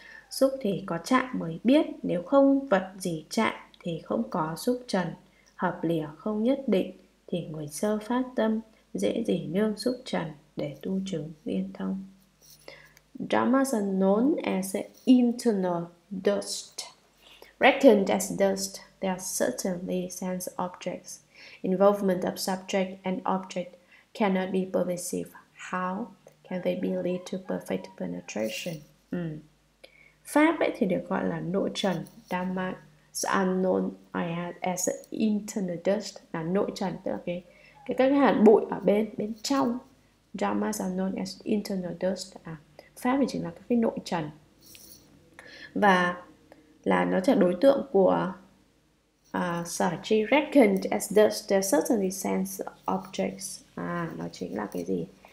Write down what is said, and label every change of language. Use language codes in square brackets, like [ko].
[vi] Xúc thì có chạm mới biết, nếu không vật gì chạm thì không có xúc trần. Hợp lìa không nhất định thì người sơ phát tâm dễ gì nương xúc trần để tu chứng viên thông. [en] Dharmas are known as internal dust. Reckoned as dust, they are certainly sense objects. Involvement of subject and object cannot be pervasive. How can they be lead to perfect penetration? [vi] Pháp ấy thì được gọi là nội trần. [en] Dharma unknown as internal dust, [vi] là nội trần, tức là cái hạt bụi ở bên bên trong. [en] Dharma unknown as internal dust, [vi] pháp thì chỉ là cái nội trần, và là nó sẽ đối tượng của sở chi [en] reckoned as dust, they certainly sense objects. [vi] Nó chính là cái gì?